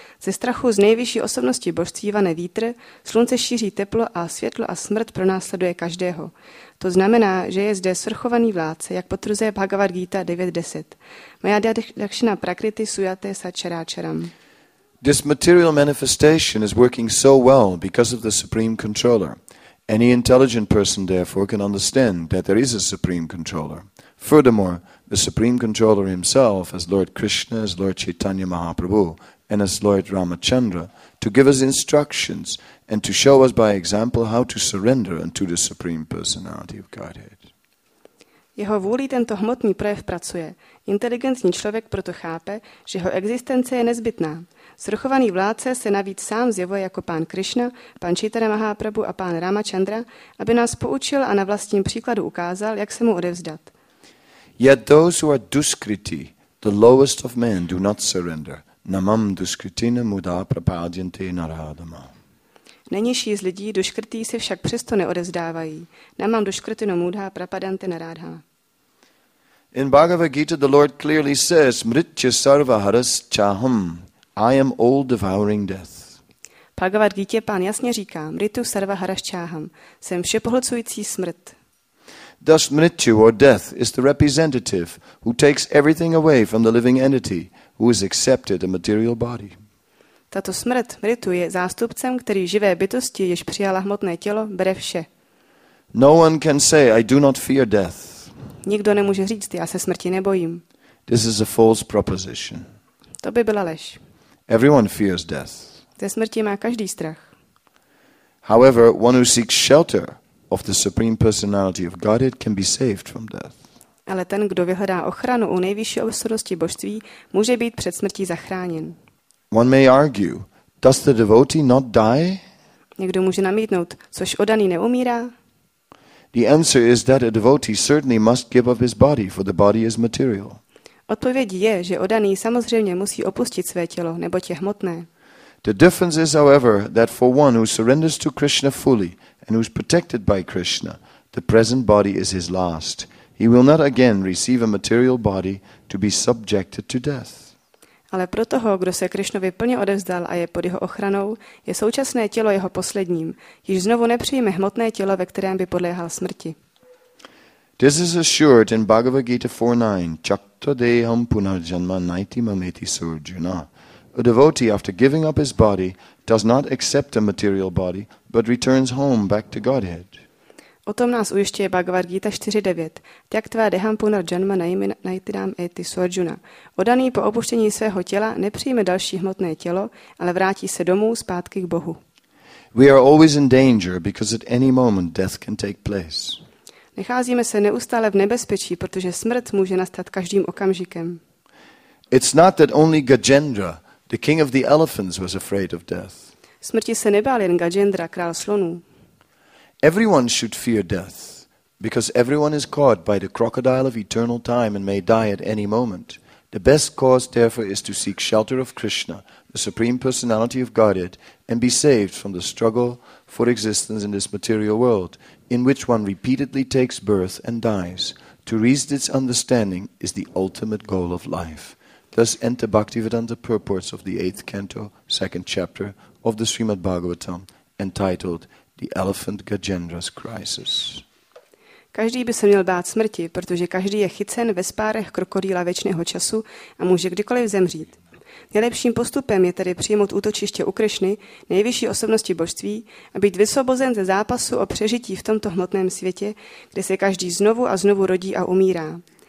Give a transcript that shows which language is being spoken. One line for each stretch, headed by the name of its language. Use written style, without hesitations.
Czech: Ze strachu z nejvyšší osobnosti božství vane vítr, slunce šíří teplo a světlo a smrt pronásleduje každého. To znamená, že je zde svrchovaný vládce, jak potvrzuje Bhagavad Gita 9.10.
Sanskrit: Mayadakshina prakriti suyate sacharacharam.
English: This material manifestation is working so well because of the Supreme Controller. Any intelligent person, therefore, can understand that there is a Supreme Controller. Furthermore, the Supreme Controller himself, as Lord Krishna, as Lord Chaitanya Mahaprabhu, and as Lord Ramachandra, to give us instructions and to show us by example how to surrender unto the Supreme Personality of Godhead.
Czech: Jeho vůlí tento hmotný projev pracuje. Inteligentní člověk proto chápe, že jeho existence je nezbytná. Svrchovaný vládce se navíc sám zjevuje jako pán Krishna, pán Chaitanya Mahaprabhu a pán Ramachandra, aby nás poučil a na vlastním příkladu ukázal, jak se mu odevzdat.
English: Yet those who are duskriti, the lowest of men, do not surrender.
Sanskrit: Namam duskritina mudā prapādyante narādama.
Czech: Nejnižší z lidí duškrtí se však přesto neodevzdávají.
Sanskrit: Namam duškrtino mudha prapadante narádha.
English: In Bhagavad Gita, the Lord clearly says,
Sanskrit: "Mritya sarva haras chaham.
English: I am all devouring death."
Czech: Bhagavad Gita pán jasně říká,
Sanskrit: "Mritu sarva haras chaham.
Czech: Jsem všepohlcující smrt."
English: Thus, Mritya or death is the representative who takes everything away from the living entity who has accepted a material body.
Czech: Tato smrt Mritu je zástupcem, který živé bytosti, jež přijala hmotné tělo, bere vše.
English: No one can say, "I do not fear death."
Czech: Nikdo nemůže říct, já se smrti nebojím.
English: This is a false proposition.
Czech: To by byla lež.
English: Everyone fears death.
Czech: Ze smrti má každý strach.
English: However, one who seeks shelter of the Supreme Personality of Godhead can be saved from death.
Czech: Ale ten, kdo vyhledá ochranu u nejvyšší osobnosti božství, může být před smrtí zachráněn.
English: One may argue, does the devotee not die?
Czech: Někdo může namítnout, což oddaný neumírá?
English: The answer is that a devotee certainly must give up his body, for the body is material.
Czech: Odpověď je, že oddaný samozřejmě musí opustit své tělo, neboť je hmotné.
English: The difference is, however, that for one who surrenders to Krishna fully and who is protected by Krishna, the present body is his last. He will not again receive a material body to be subjected to death.
Czech: Ale pro toho, kdo se Krishnovi plně odevzdal a je pod jeho ochranou, je současné tělo jeho posledním, již znovu nepřijme hmotné tělo, ve kterém by podléhal smrti.
English: This is assured in Bhagavad Gita 4.9,
Sanskrit: Chakta deham punarjanma naiti mameti surjana.
English: A devotee, after giving up his body, does not accept a material body, but returns home back to Godhead.
Czech: O tom nás ujišťuje Bhagavad Gita 4.9.
Sanskrit: Tak tvá deham punar janma naitidam eti surjuna.
Czech: Odaný po opuštění svého těla nepřijme další hmotné tělo, ale vrátí se domů zpátky k Bohu.
English: We are always in danger because at any moment death can take place.
Czech: Nacházíme se neustále v nebezpečí, protože smrt může nastat každým okamžikem.
English: It's not that only Gajendra, the king of the elephants, was afraid of death.
Czech: Smrti se nebál jen Gajendra, král slonů.
English: Everyone should fear death, because everyone is caught by the crocodile of eternal time and may die at any moment. The best course, therefore, is to seek shelter of Krishna, the Supreme Personality of Godhead, and be saved from the struggle for existence in this material world, in which one repeatedly takes birth and dies. To reach this understanding is the ultimate goal of life. Thus enter Bhaktivedanta purports of the 8th canto, 2nd chapter of the Srimad Bhagavatam, entitled The Elephant Gajendra's Crisis.
Czech: Každý by se měl bát smrti, protože každý je chycen ve spárech krokodýla věčného času a může kdykoliv zemřít. Nejlepším postupem je tedy přijmout útočiště u Krišny, nejvyšší osobnosti božství, a být vysvobozen ze zápasu o přežití v tomto hmotném světě, kde se každý znovu a znovu rodí a umírá.